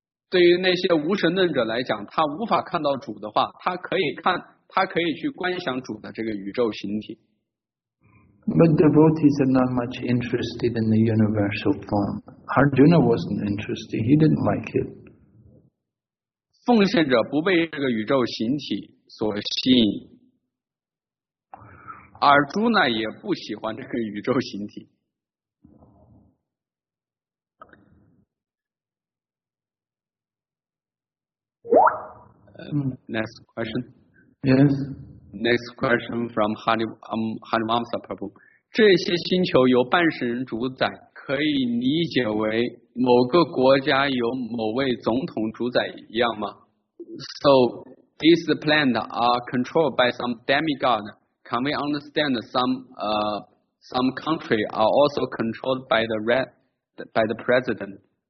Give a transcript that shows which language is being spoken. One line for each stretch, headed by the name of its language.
Chinese: 对于那些无神论者来讲，他无法看到主的话，他可以去观想主的这个宇宙形体。
English: But devotees are not much interested in the universal form. Arjuna wasn't interested. He didn't like it.
Chinese: 奉献者不被这个宇宙形体所吸引。 Arjuna 也不喜欢这个宇宙形体。
English: Next question. Yes. Next question from Hari Vamsa Prabhu.
Chinese: 这些星球由半神主宰，可以理解为某个国家由某位总统主宰一样吗？
English: So these planets are controlled by some demigod. Can we understand some country are also controlled by the president?